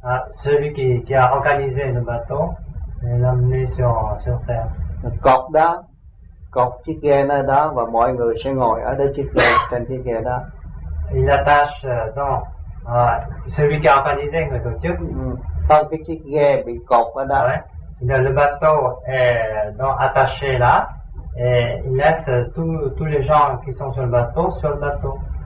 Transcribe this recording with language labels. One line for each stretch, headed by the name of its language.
French: Celui qui a organisé le bateau et l'amener sur terre. Le coq d'un.
Vietnamese: Cột chiếc ghe nơi đó và mọi người sẽ ngồi ở đây chiếc ghe, trên chiếc ghe đó.
French: Il attache donc celui qui a organisé
Vietnamese: người tổ chức. Trong cái chiếc ghe bị cột ở đó.
French: Ouais. Le bateau est donc attaché là et il laisse tous les gens qui sont sur le bateau.